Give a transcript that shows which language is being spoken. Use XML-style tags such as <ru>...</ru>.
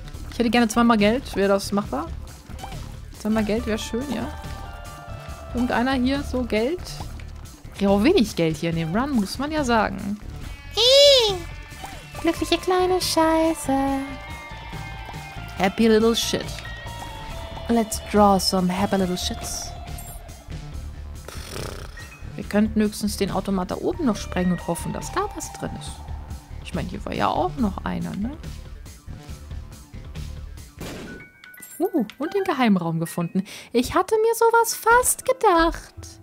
<de>Ich hätte gerne zweimal Geld. Wäre das machbar? Zweimal Geld wäre schön, ja. Irgendeiner hier so Geld? Ja, auch wenig Geld hier in dem Run, muss man ja sagen. Glückliche kleine Scheiße.</de> <en>Happy little shit. Let's draw some happy little shits.</en> <de>Wir könnten höchstens den Automat da oben noch sprengen und hoffen, dass da was drin ist. Ich meine, hier war ja auch noch einer, ne? Und den Geheimraum gefunden. Ich hatte mir sowas fast gedacht.</de>